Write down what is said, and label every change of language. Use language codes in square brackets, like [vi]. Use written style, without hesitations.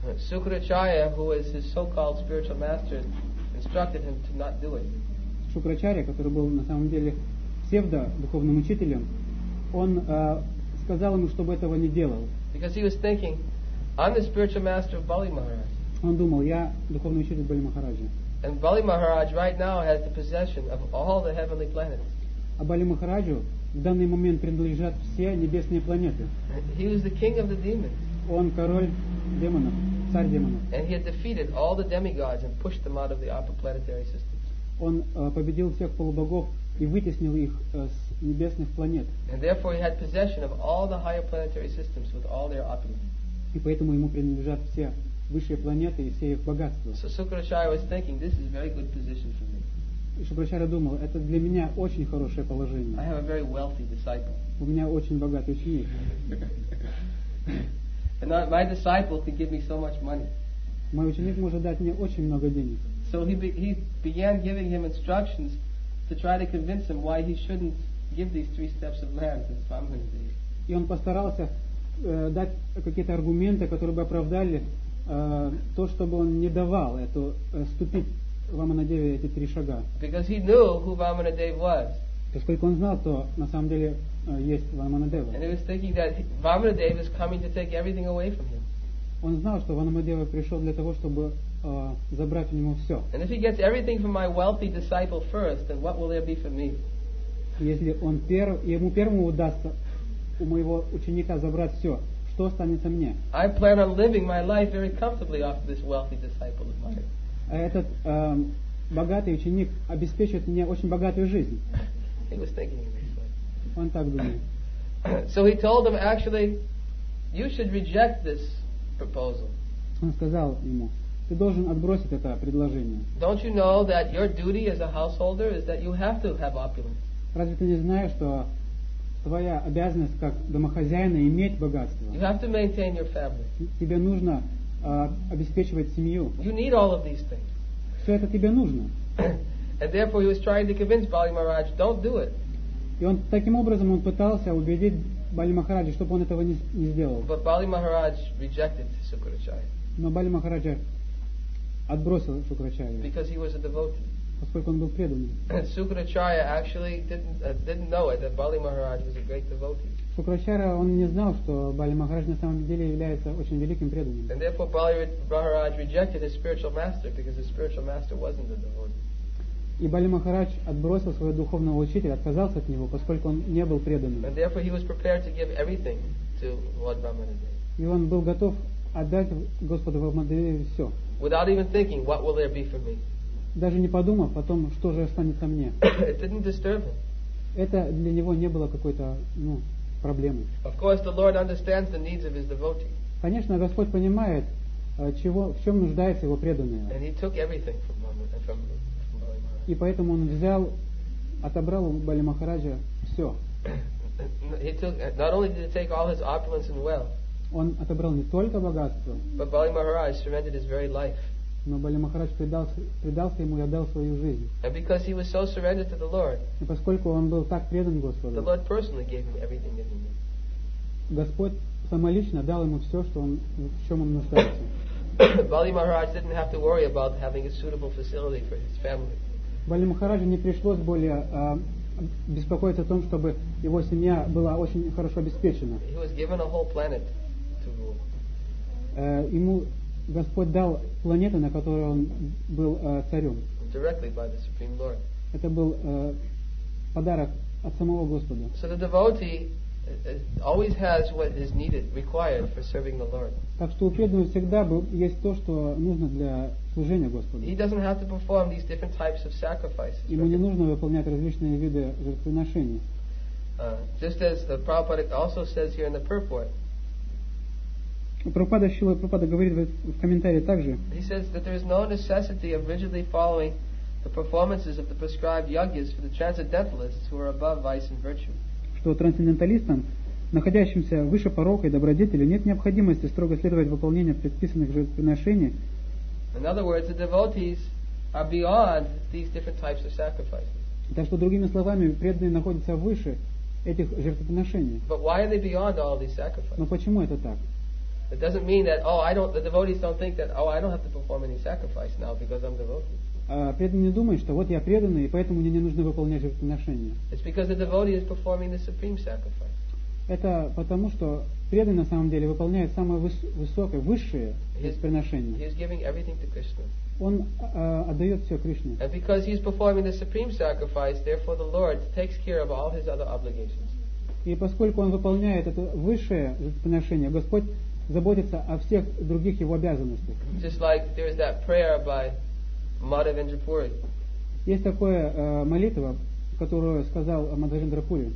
[en] Sukracharya, who was his so-called spiritual master, instructed him to not do it. [ru] Шукрачарья, который был на самом деле псевдо духовным учителем, он сказал ему, чтобы этого не делал. [en] Because he was thinking, I'm the spiritual master of Bali Maharaj. [ru] Он думал, я духовный учитель Бали Махараджа. [en] And Bali Maharaj right now has the possession of all the heavenly planets. [ru] А Бали Махараджу в данный момент принадлежат все небесные планеты. [en] He was the king of the demons. [ru] Он король демонов, царь демонов. [en] And he had defeated all the demigods and pushed them out of the upper planetary system. [ru] Он победил всех полубогов и вытеснил их с небесных планет. [en] And therefore he had possession of all the higher planetary systems with all their opulence. [ru] И поэтому ему принадлежат все высшие планеты и все их богатства. [en] So Sukracharya was thinking, this is a very good position for me. [ru] И Шукрачарья думал, это для меня очень хорошее положение. [en] I have a very wealthy disciple. [ru] У меня очень богатый ученик. [en] And my disciple can give me so much money. [ru] Мой ученик может дать мне очень много денег. [en] So he began giving him instructions to try to convince him why he shouldn't give these 3 steps of land to Vamanadeva. [ru] И он постарался дать какие-то аргументы, которые бы оправдали то, чтобы он не давал эту ступить Ваманадеве эти 3 шага. [en] Because he knew who Vamanadeva was. [ru] Поскольку он знал, то на самом деле есть Ваманадева. [en] And he was thinking that Vamanadeva is coming to take everything away from him. [ru] Он знал, что Ваманадева пришел для того, чтобы забрать у него все. [en] And if he gets everything from my wealthy disciple first, then what will there be for me? [ru] Если он ему первому удастся у моего ученика забрать все, что останется мне? [en] I plan on living my life very comfortably off this wealthy disciple of mine. [ru] А этот богатый ученик обеспечит мне очень богатую жизнь. [en] He was thinking in this way. [ru] Он так думал. [en] So he told him, actually, you should reject this proposal. [ru] Он сказал ему, ты должен отбросить это предложение. [en] Don't you know that your duty as a householder is that you have to have opulence? [ru] Разве ты не знаешь, что твоя обязанность как домохозяина иметь богатство? [en] You have to maintain your family. [ru] Тебе нужно обеспечивать семью. [en] You need all of these things. [ru] Все это тебе нужно. [en] And therefore he was trying to convince Bali Maharaj, don't do it. [ru] И он таким образом он пытался убедить Бали Махараджа, чтобы он этого не сделал. [en] But Bali Maharaj rejected Sukracharya. [ru] Но Бали Махараджа отбросил Шукрачарью. [en] Because he was a devotee. [ru] Поскольку он был преданным. [en] Sukracharya actually didn't know it, that Bali Maharaj was a great devotee. [ru] Шукрачарья он не знал, что Бали Махарадж на самом деле является очень великим преданным. [en] And therefore Bali Maharaj rejected his spiritual master because his spiritual master wasn't a devotee. [ru] И Бали Махарадж отбросил своего духовного учителя, отказался от него, поскольку он не был преданным. [en] And therefore he was prepared to give everything to Lord Vamanadeva. [ru] И он был готов отдать Господу Вамадеве все. [en] Without even thinking, what will there be for me? [ru] Даже не подумав о том, что же останется мне. [en] It didn't disturb him. [ru] Это для него не было какой-то проблемой. [en] Of course, the Lord understands the needs of his devotee. [ru] Конечно, Господь понимает, в чем нуждается его преданный. [en] And he took everything from him. [ru] И поэтому он отобрал у Бали Махараджа все. [en] He took, not only did he take all his opulence and wealth. [ru] Он отобрал не только богатство. [en] But Bali Maharaj surrendered his very life. [ru] Но Бали Махарадж предался ему и отдал свою жизнь. [en] And because he was so surrendered to the Lord. [ru] И поскольку он был так предан Господу. [en] The Lord personally gave him everything that he needed. [ru] Господь самолично дал ему все, что он в чем он нуждался. [en] Bali Maharaj didn't have to worry about having a suitable facility for his family. [ru] Бали Махараджу не пришлось более беспокоиться о том, чтобы его семья была очень хорошо обеспечена. [en] He was given a whole planet to rule. [ru] Ему Господь дал планету, на которой он был царем. [en] Directly by the Supreme Lord. [ru] Это был подарок от самого Господа. [en] So the devotee always has what is needed, required for serving the Lord. [ru] Так что у преданного всегда есть то, что нужно для служения Господу. [en] He doesn't have to perform these different types of sacrifices. [ru] Ему не нужно выполнять различные виды жертвоприношений. [en] Just as the Prabhupada also says here in the purport. [ru] Прабхупада Шрила Прабхупада говорит в комментарии также. [en] He says that there is no necessity of rigidly following the performances of the prescribed yagyas for the transcendentalists who are above vice and virtue. [ru] Что трансценденталистам, находящимся выше порока и добродетели, нет необходимости строго следовать выполнению предписанных жертвоприношений. [en] In other words, the devotees are beyond these different types of sacrifices. [ru] Так что другими словами, преданные находятся выше этих жертвоприношений. [en] But why are they beyond all these sacrifices? [ru] Но почему это так? [en] It doesn't mean that the devotees don't think that I don't have to perform any sacrifice now because I'm devoted. [ru] Преданный не думает, что вот я преданный, и поэтому мне не нужно выполнять жертвоприношения. [en] It's because the devotee is performing the supreme sacrifice. [ru] Это потому, что преданный на самом деле выполняет самое высокое, высшее жертвоприношение. [en] He is giving everything to Krishna. [ru] Он отдает все Кришне. [en] And because he is performing the supreme sacrifice, therefore the Lord takes care of all his other obligations. [ru] И поскольку он выполняет это высшее жертвоприношение, Господь заботится о всех других его обязанностях. [en] Just like there is that prayer by Madhavendra Puri. [ru] Есть такое молитва, которую сказал Мадхавендра Пури.